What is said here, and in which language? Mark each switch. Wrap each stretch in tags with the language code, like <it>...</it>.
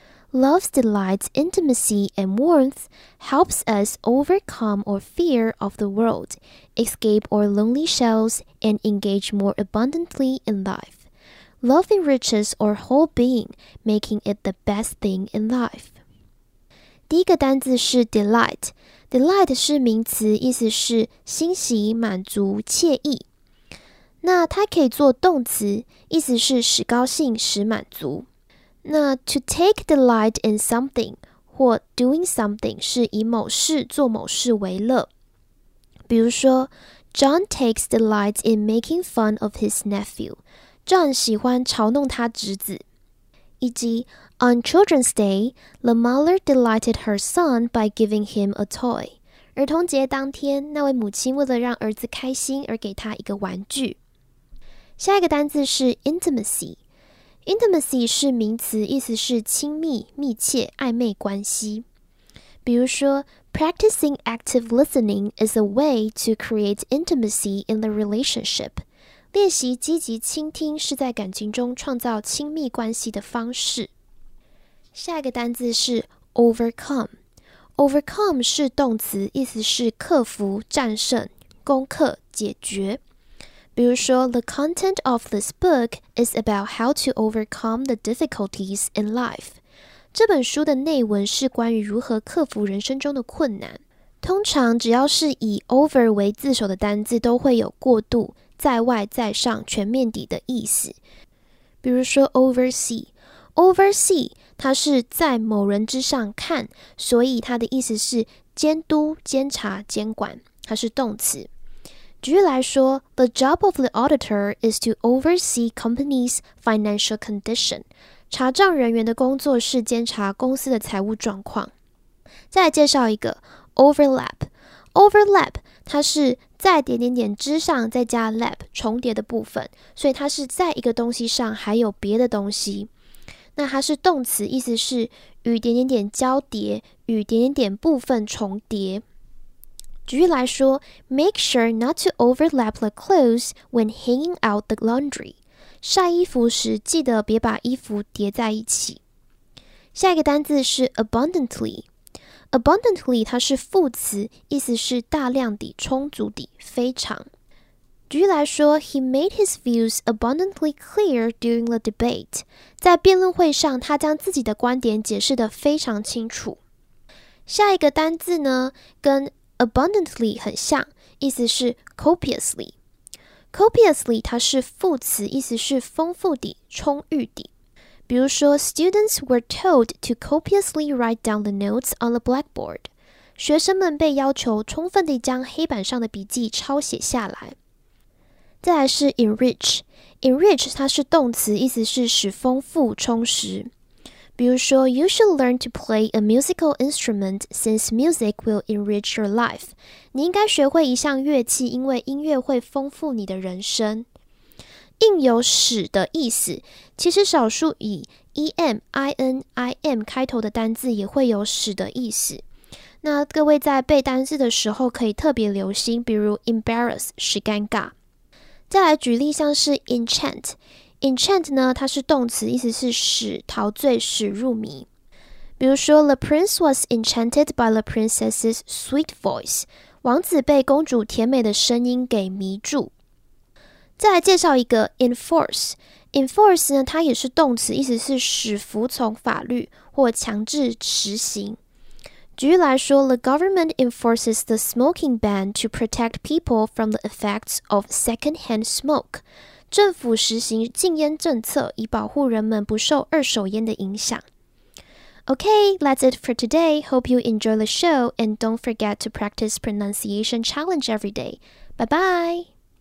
<en>Love's delight, intimacy, and warmth helps us overcome our fear of the world, escape our lonely shells, and engage more abundantly in life. Love enriches our whole being, making it the best thing in life.</en> <zh>第一个单字是 delight. Delight 是名词，意思是欣喜、满足、惬意。那它可以做动词，意思是使高兴、使满足。那</zh> <en>to take delight in something</en> <zh>或 doing something 是以某事、做某事为乐。比如说</zh> <en>John takes delight in making fun of his nephew.</en> <zh>John 喜欢嘲弄他侄子，以及</zh> <en>On Children's Day, the mother delighted her son by giving him a toy.</en> <zh>儿童节当天，那位母亲为了让儿子开心而给他一个玩具。下一个单字是 intimacy. Intimacy 是名词，意思是亲密、密切、暧昧关系。比如说</zh> <en>，practicing active listening is a way to create intimacy in the relationship.</en> <zh>练习积极倾听是在感情中创造亲密关系的方式。下一个单字是 overcome。overcome 是动词，意思是克服、战胜、攻克、解决。比如说</zh> <en>,the content of this book is about how to overcome the difficulties in life.</en> <zh>这本书的内文是关于如何克服人生中的困难。通常只要是以 over 为字首的单字都会有过度。在外、在上、全面底的意思。比如说 oversee， oversee 它是在某人之上看，所以它的意思是监督、监察、监管，它是动词。举例来说，</zh> <en>the job of the auditor is to oversee company's financial condition，</en> <zh>查账人员的工作是监察公司的财务状况。再来介绍一个 overlap， overlap 它是在点点点之上再加 lap 重叠的部分，所以它是在一个东西上还有别的东西。那它是动词，意思是与点点点交叠，与点点点部分重叠。举例来说</zh> <en>，make sure not to overlap the clothes when hanging out the laundry。</en> <zh>晒衣服时记得别把衣服叠在一起。下一个单字是 abundantly。Abundantly 它是副词，意思是大量的、充足的、非常。举例来说</zh> <en>，He made his views abundantly clear during the debate。</en> <zh>在辩论会上，他将自己的观点解释得非常清楚。下一个单字呢，跟 abundantly 很像，意思是 copiously。 Copiously 它是副词，意思是丰富的、充裕的。比如说</zh> <en>,students were told to copiously write down the notes on the blackboard.</en> <zh>学生们被要求充分地将黑板上的笔记抄写下来。再来是 enrich。 enrich 它是动词，意思是使丰富、充实。比如说</zh> <en>,you should learn to play a musical instrument since music will enrich your life.</en> <zh>你应该学会一项乐器，因为音乐会丰富你的人生。应有使的意思，其实少数以 em、in、im 开头的单字也会有使的意思。那各位在背单字的时候可以特别留心，比如 embarrass 使尴尬。再来举例，像是 enchant， enchant 呢，它是动词，意思是使陶醉、使入迷。比如说</zh> <en>，The prince was enchanted by the princess's sweet voice。</en> <zh>王子被公主甜美的声音给迷住。再来介绍一个 enforce。enforce 呢，它也是动词，意思是使服从法律或强制实行。举例来说</zh> <en>，the government enforces the smoking ban to protect people from the effects of secondhand smoke。</en> <zh>政府实行禁烟政策，以保护人们不受二手烟的影响。</zh> <en>Okay, that's it for today. Hope you enjoy the show, and don't forget to practice pronunciation challenge every day. Bye-bye!</en>